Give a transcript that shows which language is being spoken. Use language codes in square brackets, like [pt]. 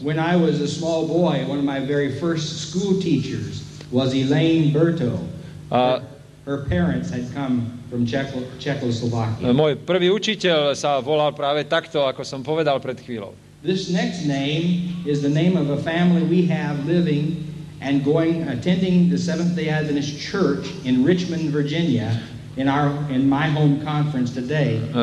[en] When I was a small boy, one of my very first school teachers was Elaine Berto. Her parents had come from Czechoslovakia. [sk] Môj prvý učiteľ sa volal práve takto, ako som povedal pred chvíľou. [en] This next name is the name of a family we have living and going attending the Seventh-day Adventist Church in Richmond, Virginia in my home conference today.